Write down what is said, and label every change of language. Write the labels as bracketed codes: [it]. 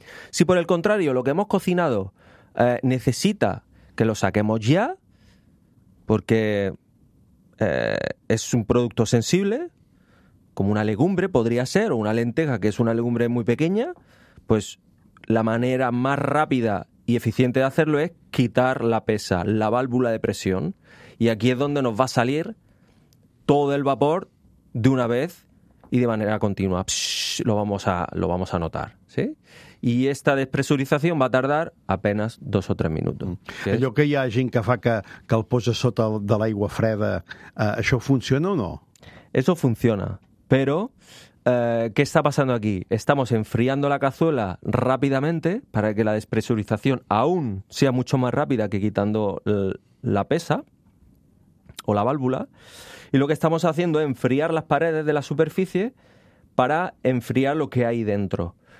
[es] Si por el contrario, lo que hemos cocinado necesita que lo saquemos ya, porque es un producto sensible, como una legumbre podría ser, o una lenteja, que es una legumbre muy pequeña, pues la manera más rápida y eficiente de hacerlo es quitar la pesa, la válvula de presión, y aquí es donde nos va a salir todo el vapor de una vez y de manera continua. Psh, lo vamos a notar, ¿sí? [ca] I esta despressurització va tardar [es] apenas [ca] 2 o 3 minuts. Mm. Allò que hi ha gent que fa que el posa sota de l'aigua freda, això funciona o no? [es] Eso funciona, pero ¿qué está pasando aquí? Estamos enfriando la cazuela rápidamente para que la despressurització aún sea mucho más rápida que quitando la pesa o la válvula. Y lo que estamos haciendo es enfriar las paredes de la superficie para enfriar lo que hay dentro.